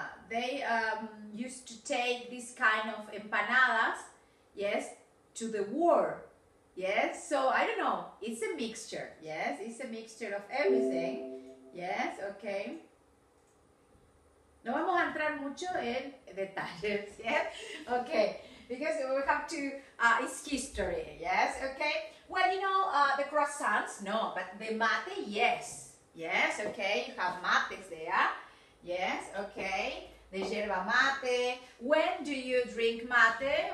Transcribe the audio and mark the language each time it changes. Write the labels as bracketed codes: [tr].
[en] They used to take this kind of empanadas, yes, to the war, yes. So, I don't know, it's a mixture, yes. It's a mixture of everything, yes, okay. [es] No vamos a entrar mucho en detalles, yeah? [en] Okay, because we have to, it's history, yes, okay? Well, you know, the croissants, no, but the mate, yes. Yes, okay, you have mates there, yes, okay. The yerba mate, when do you drink mate?